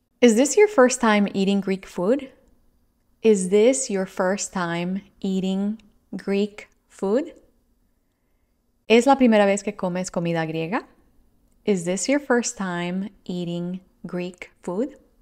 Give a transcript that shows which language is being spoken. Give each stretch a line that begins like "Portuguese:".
English: Is this your first time eating Greek food? Is this your first time eating Greek food?
Spanish: ¿Es la primera vez que comes comida griega?
English: Is this your first time eating Greek food?